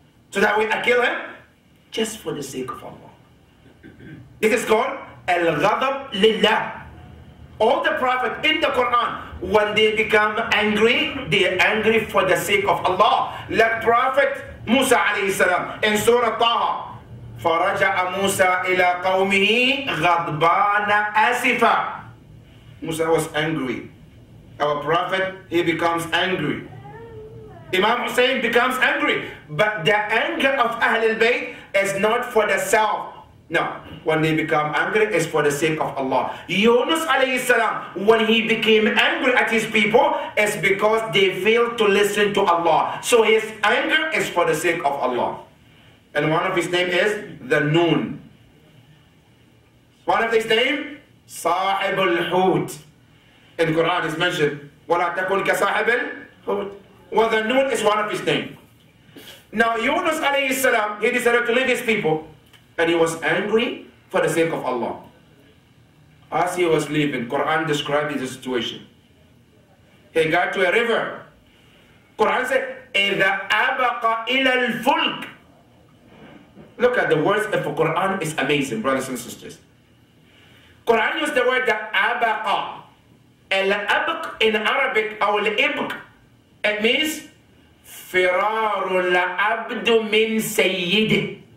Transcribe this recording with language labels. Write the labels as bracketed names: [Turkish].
[English] So that way I kill him just for the sake of Allah. This is called al-ghadab lillah. All the prophet in the Quran, when they become angry, they are angry for the sake of Allah. Like prophet Musa alayhi salam in Surah Taha. [Arabic] فرجع موسى إلى قومه غضبان آسفا. [English] Musa was angry. Our prophet, he becomes angry. Imam Hussein becomes angry. But the anger of Ahlul Bayt is not for the self. No. When they become angry, it's for the sake of Allah. Yunus alayhi salam, when he became angry at his people, it's because they failed to listen to Allah. So his anger is for the sake of Allah. And one of his name is the Noon. One of his name, Sahib al-Hut. In Quran is mentioned, [Arabic] وَلَا تَكُنْ كَسَاحِبِ الْحُوتِ. [English] Well, the Noon is one of his name. Now, Yunus alayhi salam, he decided to leave his people. And he was angry for the sake of Allah. As he was leaving, Quran described his situation. He got to a river. Quran said, [Arabic] إِذَا أَبَقَ إِلَى الْفُلْكِ. [English] Look at the words of the Quran, it's amazing, brothers and sisters. Quran used the word abaqa. Al-abq in Arabic, or al-ibq, it means [Arabic] firaru al-abdu min sayyidi.